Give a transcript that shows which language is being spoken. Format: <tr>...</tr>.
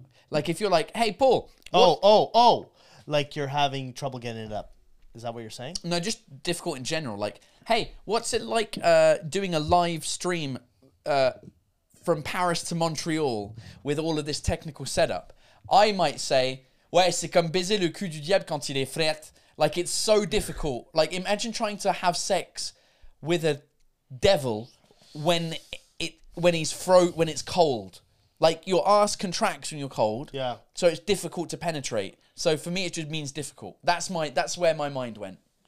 <en>Like if you're like, hey, Paul. Oh. Like you're having trouble getting it up. Is that what you're saying? No, just difficult in general. Like, hey, what's it like doing a live stream from Paris to Montreal with all of this technical setup? I might say,</en> <fr>ouais, c'est comme baiser le cul du diable quand il est fret.</fr> <en>Like, it's so difficult. Like, imagine trying to have sex with a devil when it's cold. Like, your ass contracts when you're cold. Yeah. So it's difficult to penetrate. So for me, it just means difficult. That's where my mind went.</en>